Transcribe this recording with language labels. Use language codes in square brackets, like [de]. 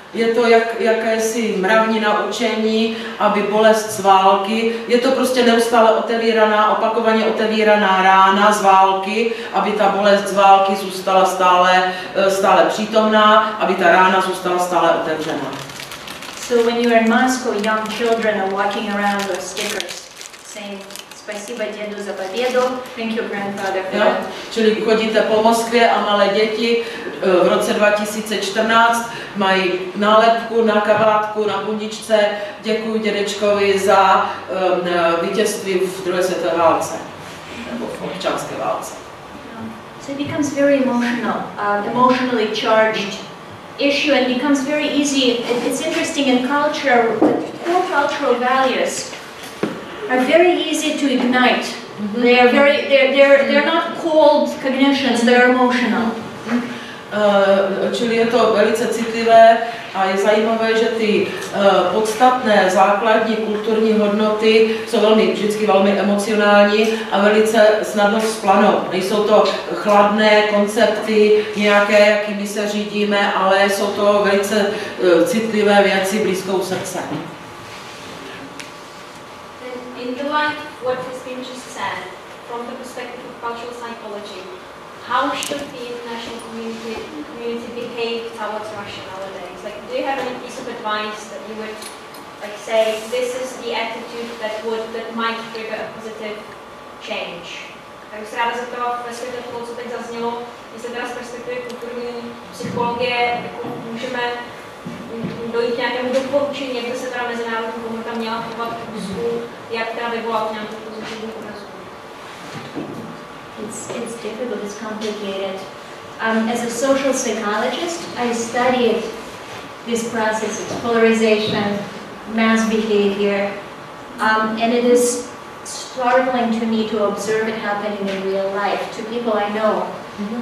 [cs] Je to jakési mravní naučení, aby bolest z války, je to prostě neustále opakovaně otevíraná rána z války, aby ta bolest z války zůstala stále přítomná, aby ta rána zůstala stále otevřená. [en] So when you're in Moscow, young children are walking around with stickers saying Děduza, thank you, grandfather. [cs] Jo? Čili chodíte po Moskvě a malé děti v roce 2014 mají nálepku na kabátku, na bundičce. Děkuji dědečkovi za vítězství v druhé světové válce, nebo v občanské válce. [en] So it becomes very emotionally charged issue and becomes very easy. It's interesting in culture, core cultural values are very easy to ignite. Mm-hmm. They are very, they're not cold cognitions, they're emotional. Mm-hmm. [cs] Čili je to velice citlivé a je zajímavé, že ty podstatné základní kulturní hodnoty jsou velmi, vždycky velmi emocionální a velice snadno splanou. Nejsou to chladné koncepty nějaké, jakými se řídíme, ale jsou to velice citlivé věci blízkou srdce. [en] In the light of what has been just said, from the perspective of cultural psychology, how should the international community behave towards Russia nowadays? Like, do you have any piece of advice that you would like say this is the attitude that might trigger a positive change? [cs] Tak bych se ráda zeptala, ve světě toho, co teď zaznělo, jestli teda z perspektivy kulturní psychologie jako můžeme dojít nějakému doporučení, jak by se teda mezinárodní komunita měla chovat v Rusku, jak teda vyvolat nějakou pozitivní odezvu. [en] It's difficult, it's complicated. As a social psychologist, I studied this process of polarization, mass behavior, and it is startling to me to observe it happening in real life to people I know. Mm-hmm.